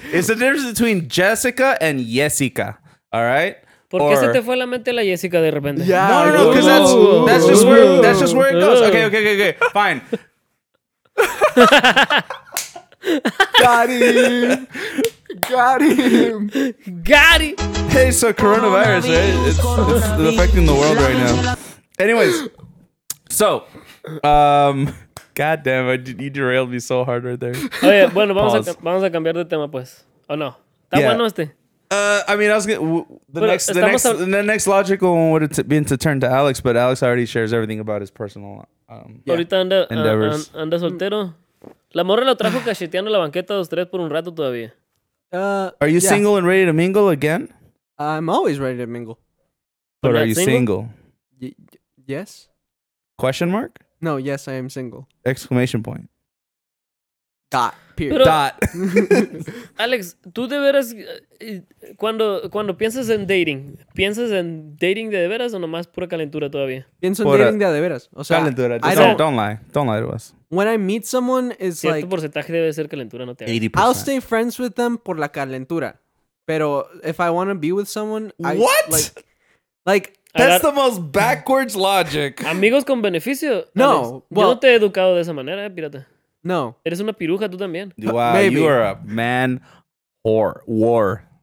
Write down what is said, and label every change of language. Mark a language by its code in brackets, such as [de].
[en] It's the difference between Jessica and Jessica, all right? [es] ¿Por qué se te fue la mente la Jessica de repente? [en] Yeah. No, because that's just where it goes. Okay, fine. Got him. Hey, so coronavirus, right? It's affecting the world right now. Anyways, so, goddamn, you derailed me so hard right there. Oh, yeah, [es] bueno, vamos a cambiar de tema, pues. [en] Oh, no. [es] ¿Está bueno este? [en] I mean, I was gonna, the next logical one would have been to turn to Alex, but Alex already shares everything about his personal endeavors. [es] Anda soltero. La morra lo trajo cacheteando la banqueta 2-3 por un rato todavía. [en] Are you single and ready to mingle again? I'm always ready to mingle. But are you single? Yes. Question mark? No, yes, I am single. Exclamation point. Dot. Period. [es] Alex, tú de veras, cuando piensas en dating, ¿piensas en dating de veras o nomás pura calentura todavía? Pienso en dating de veras. O sea, [en] calentura. Don't lie to us. When I meet someone, it's [es] cierto [en] like... [es] Cierto porcentaje debe ser calentura, no te hagas. [en] 80%. I'll stay friends with them [es] por la calentura. Pero [en] if I want to be with someone... What? Like... That's the most backwards logic. [es] Amigos con beneficio. No. [en] Well, [es] yo no te he educado de esa manera, pirata. No. Eres una piruja, tú también. [en] Wow, maybe. You are a man whore. War.